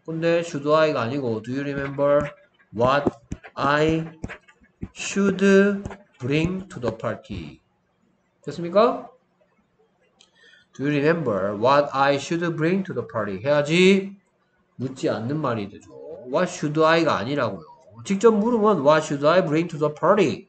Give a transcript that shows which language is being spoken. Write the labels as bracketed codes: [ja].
[ko] 근데 [en] should I가 [ko] 아니고 [en] Do you remember what I should bring to the party? [ko] 됐습니까? [en] Do you remember what I should bring to the party? [ko] 해야지 묻지 않는 말이 되죠. [en] What should I가 [ko] 아니라고요. 직접 물으면 [en] What should I bring to the party?